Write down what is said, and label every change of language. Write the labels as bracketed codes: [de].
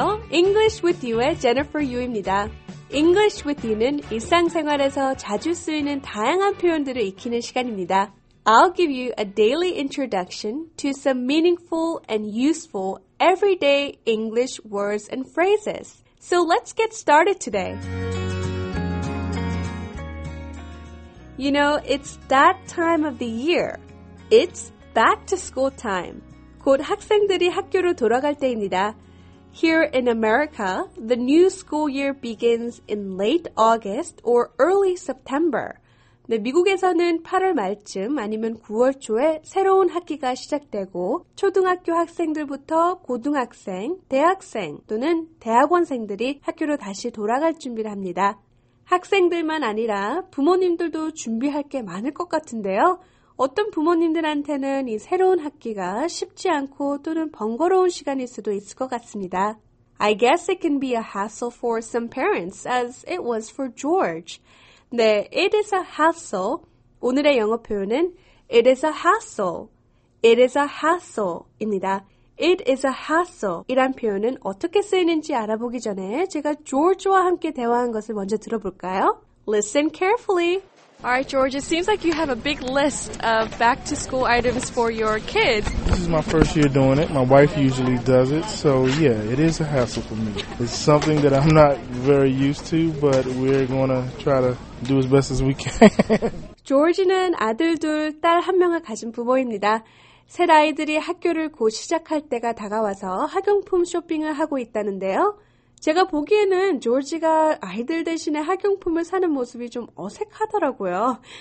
[ko] English with you의 Jennifer Yu입니다. English with you는 일상생활에서 자주 쓰이는 다양한 표현들을 익히는 시간입니다. [en] I'll give you a daily introduction to some meaningful and useful everyday English words and phrases. So let's get started today. You know, it's that time of the year. It's back to school time. [ko] 곧 학생들이 학교로 돌아갈 때입니다. [en] Here in America, the new school year begins in late August or early September. [ko] 네, 미국에서는 8월 말쯤 아니면 9월 초에 새로운 학기가 시작되고 초등학교 학생들부터 고등학생, 대학생 또는 대학원생들이 학교로 다시 돌아갈 준비를 합니다. 학생들만 아니라 부모님들도 준비할 게 많을 것 같은데요. 어떤 부모님들한테는 이 새로운 학기가 쉽지 않고 또는 번거로운 시간일 수도 있을 것 같습니다. [en] I guess it can be a hassle for some parents as it was for George. 네, it is a hassle. [ko] 오늘의 영어 표현은 [en] it is a hassle. It is a hassle입니다. It is a hassle [ko] 이란 표현은 어떻게 쓰이는지 알아보기 전에 제가 George와 함께 대화한 것을 먼저 들어볼까요? [en] Listen carefully. All right, George, it seems like you have a big list of back-to-school items for your kids. This is my first year doing it. My wife usually does it. So, yeah, it is a hassle for me. It's something that I'm not very used to, but we're going to try to do as best as we can. [ko] George는 아들 둘, 딸 한 명을 가진 부모입니다. 새 아이들이 학교를 곧 시작할 때가 다가와서 학용품 쇼핑을 하고 있다는데요. 제가 보기에는 조지가 아이들 대신에 학용품을 사는 모습이 좀 어색하더라고요.